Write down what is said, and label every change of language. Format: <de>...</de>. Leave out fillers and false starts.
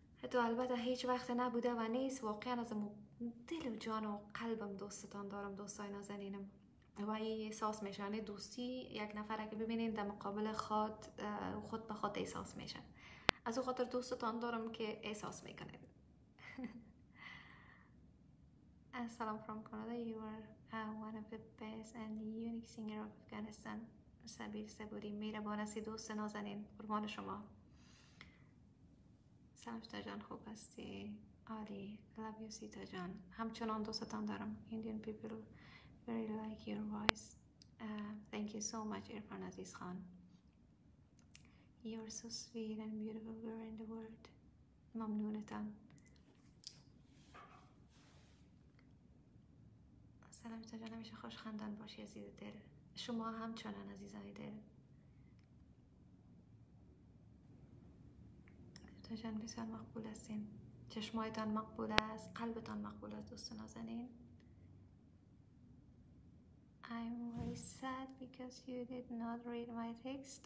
<fa>تو البته هیچ وقت نبوده و نیست، واقعا از دل و جان و قلبم دوستتان دارم، دوستای نازنینم. و این احساس میشه، دوستی یک نفر که ببینین در مقابل خود به خود احساس میشه. از او خاطر دوستتان دارم که احساس میکنین. سلام</fa> <en>from Canada. You are one of the best and unique singer of Afghanistan.</en> <fa>سبیر سبوری، مهربان هستی دوست نازنین، قربان شما. سلام سیتا جان، خوب هستی؟ عالی.</fa> <en>Love you</en> <fa>سیتا جان، همچنان دوستتان دارم.</fa> <en>Indian people very like your voice. Thank you so much Irfan عزیز Khan. You are so sweet and beautiful girl in the world.</en> <fa>ممنونتم. سلامت جان، همیشه خوشخندان باشی عزیز دل. شما هم چنان عزیزای دل. تو جان بسیار مقبول هستین. چشمایتان مقبول است. قلبتان مقبول است دوست نازنین.</fa> <en>I'm very sad because you did not read my text.</en>